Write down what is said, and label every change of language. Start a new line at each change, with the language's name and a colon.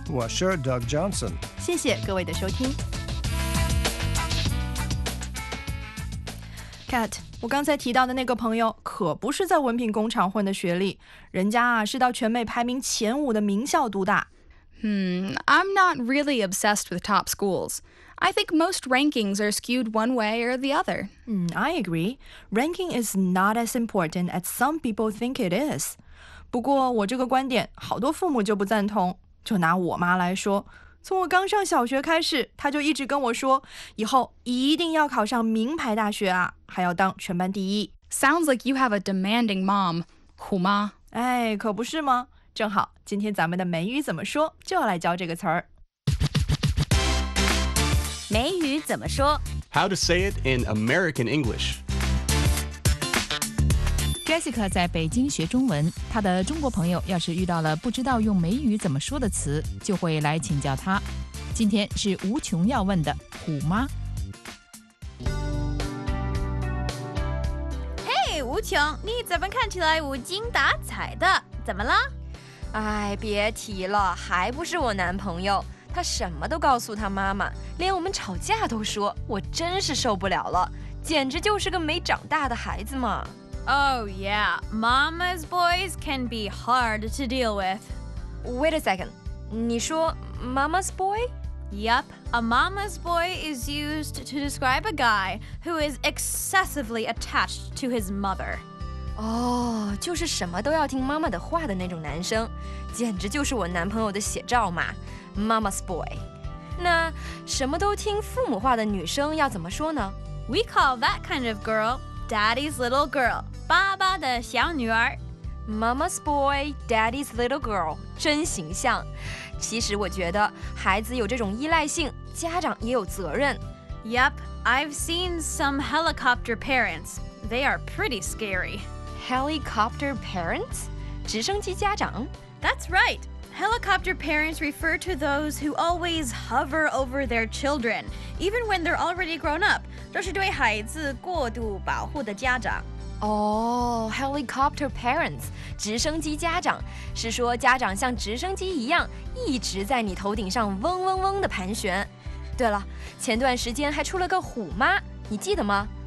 Chinese: 我是 Doug Johnson，谢谢各位的收听。 Cat， 我刚才提到的那个朋友可不是在文凭工厂混的学历，人家啊是到全美排名前五的名校读的。
English: I'm not really obsessed with top schools. I think most rankings are skewed one way or the other. I agree. Ranking is not as important as some people think it is.
Chinese: 不过我这个观点好多父母就不赞同。就拿我妈来说，从我刚上小学开始，她就一直跟我说，以后一定要考上名牌大学啊，还要当全班第一。
English: Sounds like you have a demanding mom.
Chinese: 虎妈。哎，可不是吗？正好今天咱们的美语怎么说，就要来教这个词儿。美语怎么说
English: How to say it in American English.
Chinese: Jessica 在北京学中文，她的中国朋友要是遇到了不知道用美语怎么说的词，就会来请教她。今天是无穷要问的虎妈。 Hey, 无穷，你怎么看起来无精打采的？怎么了？哎，别提了，还不是我男朋友。他什么都告诉他妈妈，连我们吵架都说，我真是受不了了，简直就是个没长大的孩子嘛。
English: Oh yeah, mama's boys can be hard to deal with. Wait a second,
Chinese: 你说
English: mama's boy? Yep, a mama's boy is used to describe a guy who is excessively attached to his mother.
Chinese: 哦、就是什么都要听妈妈的话的那种男生，简直就是我男朋友的写照嘛 ，Mama's boy。那什么都听父母话的女生要怎么说呢
English: ？We call that kind of girl Daddy's little girl，
Chinese: 爸爸的小女儿。
English: Mama's boy, Daddy's little girl，
Chinese: 真形象。其实我觉得孩子有这种依赖性，家长也有责任。
English: Yep, I've seen some helicopter parents. They are pretty scary. Helicopter parents?
Chinese: 直升机家长?
English: That's right. Helicopter parents refer to those who always hover over their children, even when they're already grown up.
Chinese: 这是对孩子过度保护的家长。 Helicopter parents, 直升机家长,是说家长像直升机一样,一直在你头顶上嗡嗡嗡地盘旋。对了,前段时间还出了个虎妈,你记得吗?